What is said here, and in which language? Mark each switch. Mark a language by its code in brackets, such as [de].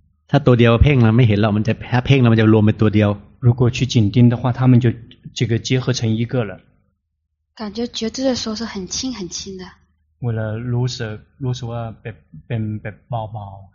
[th] ถ้าตัวเดียวเพ่งแล้วไม่เห็นหรอกมันจะถ้าเพ่งแล้วมันจะรวมเป็นตัวเดียว [zh] 如果去紧盯的话它们就这个结合成一个了感觉觉知的时候是很轻很轻的为了 [th] รู้สึกว่าเป็นแบบเบา